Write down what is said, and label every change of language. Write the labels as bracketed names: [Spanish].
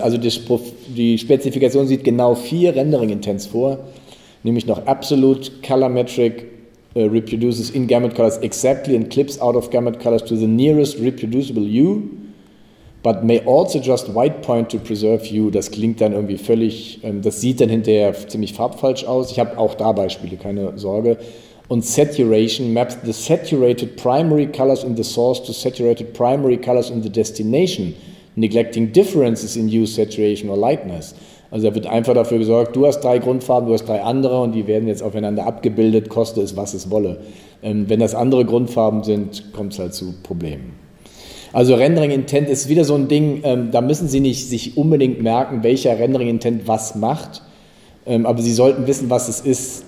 [German] Also die Spezifikation sieht genau vier rendering intents vor, nämlich noch [English] absolute colorimetric reproduces in gamut colors exactly and clips out of gamut colors to the nearest reproducible hue, but may also just white point to preserve hue. [German] Das klingt dann irgendwie völlig, das sieht dann hinterher ziemlich farbfalsch aus. Ich habe auch da Beispiele, keine Sorge. [English] Und saturation maps the saturated primary colors in the source to saturated primary colors in the destination, neglecting differences in hue, saturation or lightness. [German] Also da wird einfach dafür gesorgt, du hast drei Grundfarben, du hast drei andere und die werden jetzt aufeinander abgebildet, koste es, was es wolle. Wenn das andere Grundfarben sind, kommt es halt zu Problemen. Also Rendering Intent ist wieder so ein Ding, da müssen Sie nicht sich unbedingt merken, welcher Rendering Intent was macht, aber Sie sollten wissen, was es ist.